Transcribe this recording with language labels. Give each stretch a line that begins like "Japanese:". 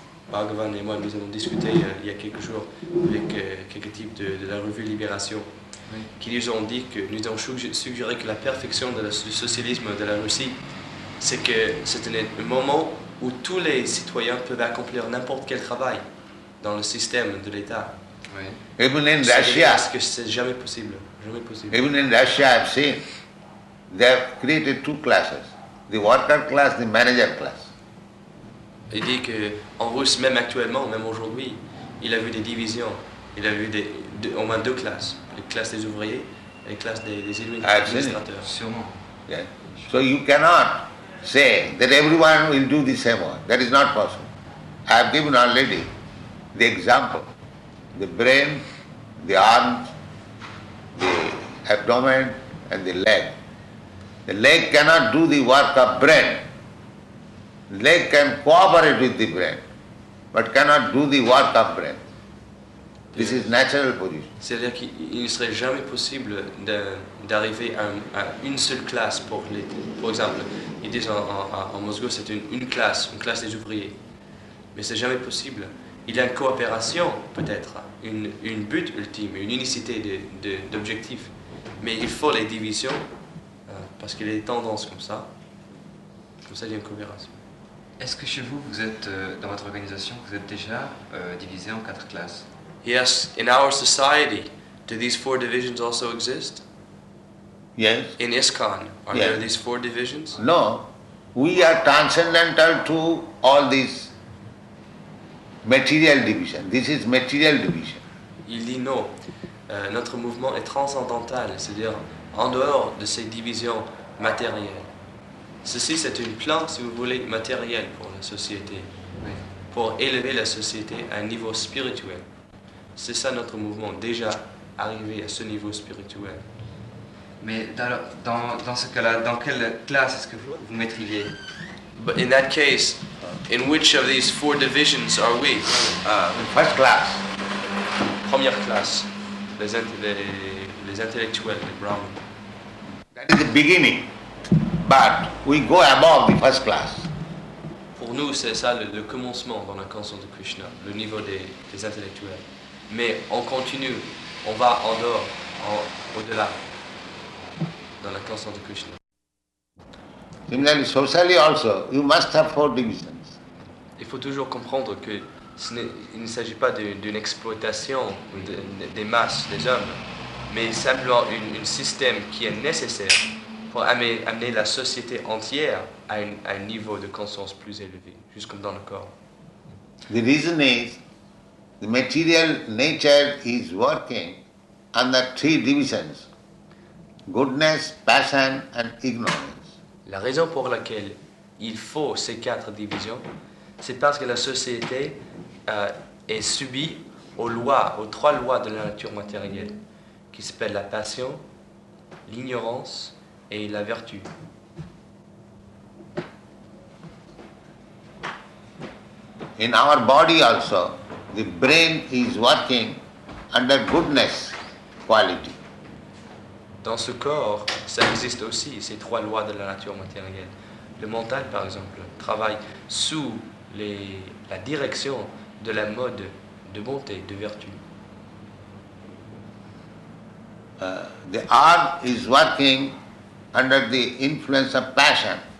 French: Bhagavan et moi, nous avons discuté il y a quelques jours avec quelques types de la revue Libération, oui, qui nous ont dit que nous avons suggéré que la perfection du socialisme de la Russie, c'est que c'est un moment où tous les citoyens peuvent accomplir n'importe quel travail dans le système de l'État. Oui.
English: Even in Russia,
French: parce que c'est jamais possible, jamais possible.
English: Even in Russia, I've seen they have created two classes: the worker class, the manager class.
French: Il dit que en Russie, même actuellement, même aujourd'hui, il a vu des divisions. Il a vu au moins deux classes: la classe des ouvriers et la classe des administrateurs. Sûrement.
English: Yeah. So you cannot say that everyone will do the same one. That is not possible. I have given already the example: the brain, the arms, the abdomen, and the leg. The leg cannot do the work of brain. Leg can cooperate with the brain, but cannot do the work of brain. This is natural position.
French: C'est-à-dire qu'il ne serait jamais possible d'arriver à une seule classe pour les. Par exemple, ils disent en Moscou, c'est une classe des ouvriers, mais c'est jamais possible. Il y a une coopération, peut-être, une but ultime, une unicité d'objectif, mais il faut les divisions parce qu'il y a des tendances comme ça il y a une coopération. Est-ce que chez vous, vous êtes dans votre organisation, vous êtes déjà divisé en quatre classes?
English: Yes, in our society, do these four divisions also exist? Yes. In ISKCON, are yes. There these four divisions? No, we are transcendental to all these material division. This is material division.
French: Il dit non. Notre mouvement est transcendantal, c'est-à-dire en dehors de ces divisions matérielles. Ceci, c'est un plan, si vous voulez, matériel pour la société, oui, pour élever la société à un niveau spirituel. C'est ça notre mouvement, déjà arrivé à ce niveau spirituel. Mais dans ce cas-là, dans quelle classe est-ce que vous mettriez?
English: But in that case, in which of these four divisions are we? First class.
French: Première classe. Les intellectuels, les brahmins.
English: That is the beginning. But we go above the first class.
French: Pour nous, c'est ça le commencement dans la conscience de Krishna, le niveau des intellectuels. Mais on continue, on va en dehors, au-delà, dans la conscience de Krishna.
English: Similarly, socially also, you must have four divisions.
French: Il faut toujours comprendre que il ne s'agit pas d'une exploitation des masses, des hommes, mais simplement un système qui est nécessaire pour amener la société entière à un niveau de conscience plus élevé, juste comme dans le corps.
English: The reason is, the material nature is working under three divisions: goodness, passion and ignorance.
French: La raison pour laquelle il faut ces quatre divisions, c'est parce que la société est subie aux trois lois de la nature matérielle, qui s'appellent la passion, l'ignorance et la vertu.
English: In our body also, the brain is working under goodness quality.
French: Dans ce corps, ça existe aussi, ces trois lois de la nature matérielle. Le mental, par exemple, travaille sous la direction de la mode de bonté, de vertu.
English: The arm is working under the influence of passion.